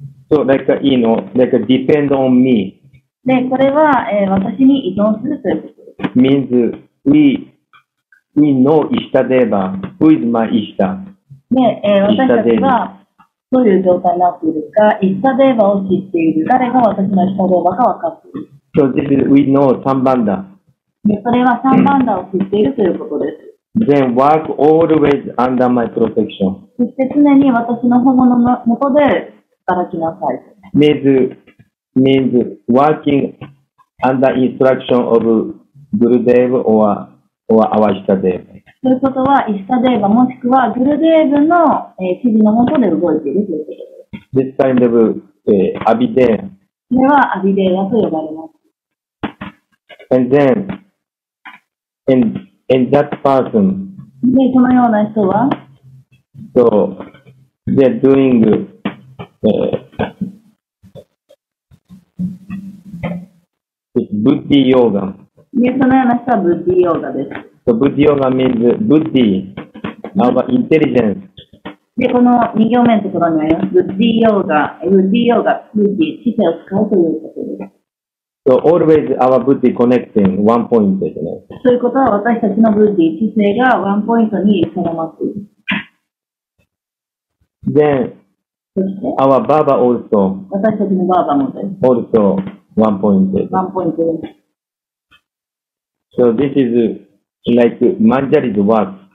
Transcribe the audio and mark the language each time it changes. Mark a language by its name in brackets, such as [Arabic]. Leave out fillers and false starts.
[English] So, like, you know, like, depend on me. [Japanese] で、これは、私に依存するということです。 [English] Means, we know Ishtadeva. Who is my Ishta? [Japanese] で、私たちはどういう状態になっているか、Ishtadeva を知っている。誰が私の Ishtadeva か分かっている。 [English] So, this is, we know Sambandha. [Japanese] で、それはサンバンダを知っているということです。 [English] Then work always under my protection. [Japanese] そして常に私の保護のもとで働きなさい。 [English] Means working under instruction of Gurudev or our Ishtadev. [Japanese] ということは、イシタデーバもしくはグルデーブの指示のもとで動いているということです。 [English] This kind of アビデーヤ。 [Japanese] これはアビデーヤと呼ばれます。 [English] And that person, [Japanese] でそのような人は、 [English] so they're doing, Buddhi yoga. [Japanese] でそのような人は Buddhi yoga です。 [English] So Buddhi yoga means Buddhi, our intelligence. [Japanese] でこの2行目のところにあります。 Buddhi yoga, Buddhi yoga, Buddhi, 知性を使うということです。 [English] So always our Buddhi connecting one point, isn't it? [Japanese] そういうことは私たちの Buddhi 知性がワンポイントに絡まっている。 [English] Then [Japanese] そして [English] our Baba also [Japanese] 私たちのBaba もです。 [English] Also one point. One point. So this is like Manjari's work.